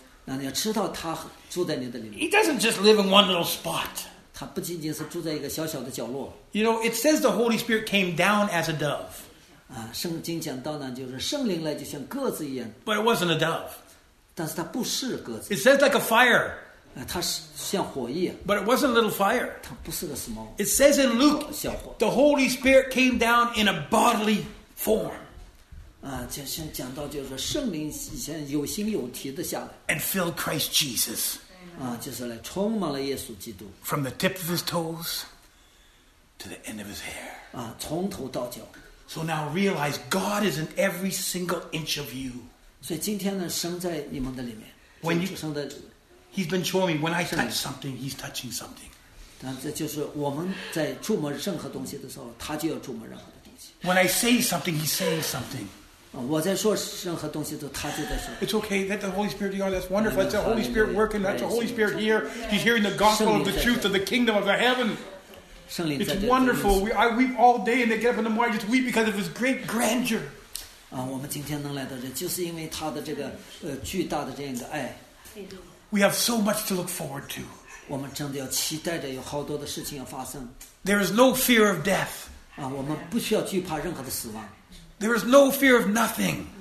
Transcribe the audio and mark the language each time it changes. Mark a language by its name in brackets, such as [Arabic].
[Chinese] 那你要知道他住在你的里面 [English] He doesn't just live in one little spot. [Chinese] 他不仅仅是住在一个小小的角落。 [English] You know, it says the Holy Spirit came down as a dove. [Chinese] 圣经讲到呢，就是圣灵来就像鸽子一样。 [English] But it wasn't a dove. [Chinese] 但是它不是鸽子。 [English] It says like a fire. [Chinese] 它是像火一样。 [English] But it wasn't a little fire. [Chinese] 它不是个 [English] small. It says in Luke, the Holy Spirit came down in a bodily form. [Chinese] 讲到就是圣灵以前有形有体的下来。 [English] And filled Christ Jesus. [Chinese] 就是来充满了耶稣基督。 [English] From the tip of his toes to the end of his hair. [Chinese] 从头到脚。 [English] So now realize God is in every single inch of you. [Chinese] 所以今天呢，神在你们的里面。 [English] When you, He's been showing me when I touch something, He's touching something. [Chinese] 但这就是我们在触摸任何东西的时候，他就要触摸任何的东西。 [English] When I say something, He's saying something. [Chinese] 我在说任何东西都他就在说 [English] It's okay, that the Holy Spirit, that's wonderful. That's the Holy Spirit working. That's the Holy Spirit here. He's hearing the gospel of the truth of the kingdom of the heaven. It's wonderful. I weep all day and they get up in the morning. I just weep because of his great grandeur. [Chinese] 我们今天能来到这就是因为他的这个巨大的这样的爱。 [English] We have so much to look forward to. [Chinese] 我们真的要期待着有好多的事情要发生。 [English] There is no fear of death. [Chinese] 我们不需要惧怕任何的死亡。 [English] There is no fear of nothing.